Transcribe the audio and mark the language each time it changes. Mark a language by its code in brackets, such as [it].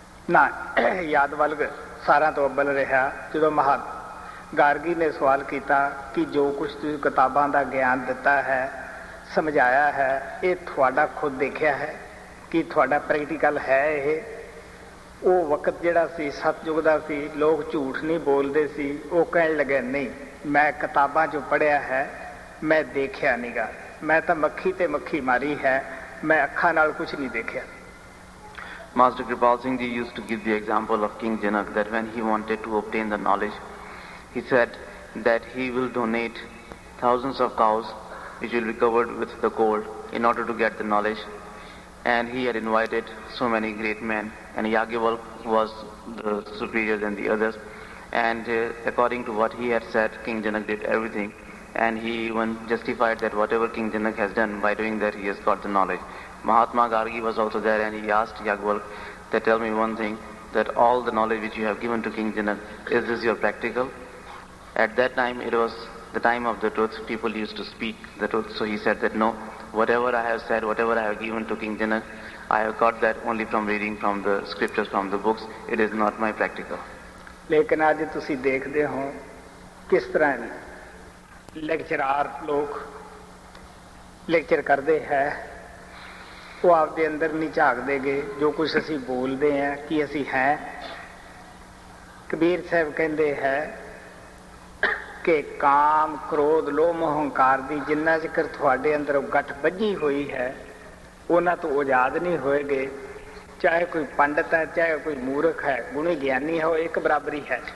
[pa] ਨਾ ਯਾਦ ਵਲਗ ਸਾਰਿਆਂ ਤੋਂ ਅੱਬਲ ਰਿਹਾ ਜਦੋਂ ਮਹਾਤਮਾ ਗਾਰਗੀ ਨੇ ਸਵਾਲ ਕੀਤਾ ਕਿ ਜੋ ਕੁਛ ਤੁਸੀਂ ਕਿਤਾਬਾਂ ਦਾ ਗਿਆਨ ਦਿੱਤਾ ਹੈ ਸਮਝਾਇਆ ਹੈ ਇਹ ਤੁਹਾਡਾ ਖੁਦ ਦੇਖਿਆ ਹੈ ਕਿ ਤੁਹਾਡਾ ਪ੍ਰੈਕਟੀਕਲ ਹੈ ਇਹ ਉਹ ਵਕਤ ਜਿਹੜਾ ਸੀ ਸਤਿਯੁਗ ਦਾ ਸੀ ਲੋਕ ਝੂਠ ਨਹੀਂ ਬੋਲਦੇ ਸੀ ਉਹ ਕਹਿਣ ਲੱਗੇ ਨਹੀਂ ਮੈਂ ਕਿਤਾਬਾਂ 'ਚੋਂ ਪੜ੍ਹਿਆ ਹੈ ਮੈਂ ਦੇਖਿਆ ਨੀਗਾ ਮੈਂ ਤਾਂ ਮੱਖੀ 'ਤੇ ਮੱਖੀ ਮਾਰੀ ਹੈ ਮੈਂ ਅੱਖਾਂ ਨਾਲ ਕੁਛ ਨਹੀਂ ਦੇਖਿਆ [en] master Kirpal Singh ji used to give the example of king Janak that when he wanted to obtain the knowledge he said that he will donate thousands of cows which will be covered with the gold in order to get the knowledge and he had invited so many great men and Yagyavalk was the superior than the others and according to what he had said King Janak did everything and he even justified that whatever King Janak has done by doing that he has got the knowledge Mahatma Gargi was also there and he asked Yagyavalk that tell me one thing that all the knowledge which you have given to King Janak is this your practical at that time it was the time of the truth people used to speak the truth so he said that no whatever I have said whatever I have given to King Janak I have got that only from reading from the scriptures from the books it is not my practical [pa] lekin aaj tusi dekhde ho kis tarah lecturer log lecture karde hai wo aap de andar ni jhaakde ge jo kuch assi bolde hai ki assi hai kabir sahib kehnde hai ਕਿ ਕਾਮ ਕ੍ਰੋਧ ਲੋਭ ਮੋਹੰਕਾਰ ਦੀ ਜਿੰਨਾ ਜ਼ਿਕਰ ਤੁਹਾਡੇ ਅੰਦਰ ਗੱਠ ਬੱਝੀ ਹੋਈ ਹੈ ਉਹਨਾਂ ਤੋਂ ਆਜ਼ਾਦ ਨਹੀਂ ਹੋਏਗੇ ਚਾਹੇ ਕੋਈ ਪੰਡਿਤ ਹੈ ਚਾਹੇ ਕੋਈ ਮੂਰਖ ਹੈ ਗੁਣੀ ਗਿਆਨੀ ਹੈ ਉਹ ਇੱਕ ਬਰਾਬਰੀ ਹੈ